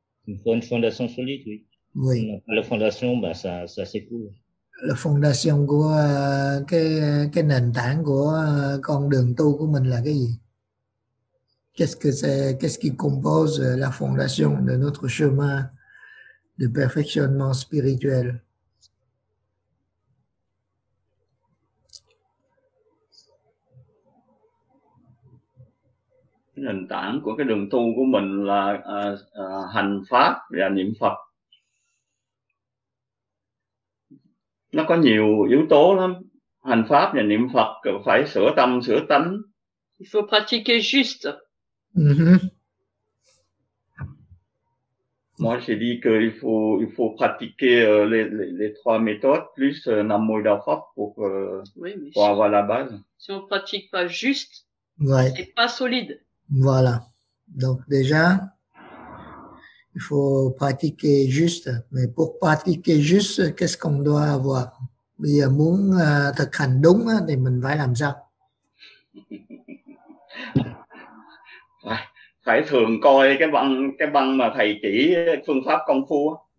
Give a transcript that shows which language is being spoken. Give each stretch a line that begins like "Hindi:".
French: Il faut une fondation solide, oui. Oui. La fondation, bah, ça s'écoule. La fondation
Vietnamese: của cái nền tảng của con đường tu của mình là cái gì?
French: Qu'est-ce qui compose la fondation de notre chemin de perfectionnement spirituel?
Vietnamese: Nền tảng của cái đường tu của mình là hành pháp và niệm Phật. Nó có nhiều yếu tố lắm. Hành pháp và niệm Phật phải sửa tâm, sửa tánh.
French: Il faut pratiquer juste. Moi, j'ai dit qu'il faut pratiquer les trois méthodes plus Namo Buddha Phật pour avoir la base. Si on ne pratique pas juste, ouais, c'est pas solide. Voilà. Donc déjà, il faut pratiquer juste. Mais pour pratiquer juste, qu'est-ce qu'on doit avoir?
Vietnamese: Bây giờ muốn thực hành đúng thì mình phải làm sao? Phải thường coi cái băng mà thầy chỉ phương pháp công phu.